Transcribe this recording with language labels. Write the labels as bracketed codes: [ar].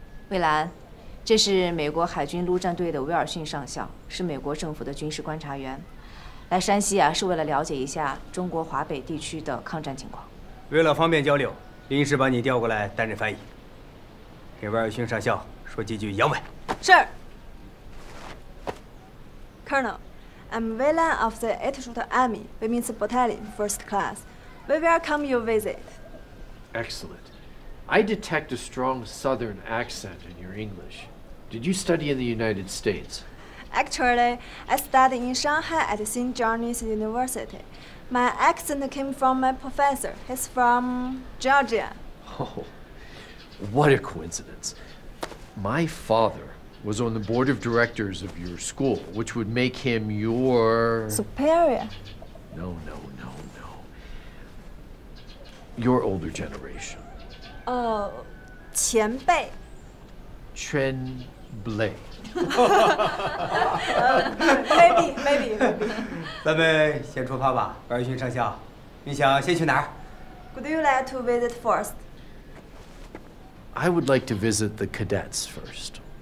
[zh] 蔚蓝，这是美国海军陆战队的威尔逊上校，是美国政府的军事观察员。来山西啊，是为了了解一下中国华北地区的抗战情况。为了方便交流，临时把你调过来担任翻译，给威尔逊上校说几句洋文。是。 [en] Colonel, I'm Wilson of the 8th Army, Women's Battalion, First Class. We welcome your visit. Excellent. I detect a strong southern accent in your English. Did you study in the United States? Actually, I studied in Shanghai at St. John's University. My accent came from my professor. He's from Georgia. Oh, what a coincidence. My father was on the board of directors of your school, which would make him your... Superior. No, no, no, no. Your older generation. [zh] 前辈。前辈。 [en] maybe. [zh] 咱们先出发吧，威尔逊上校，你想先去哪儿 [en] ？Would you like to visit first? I would like to visit the cadets first.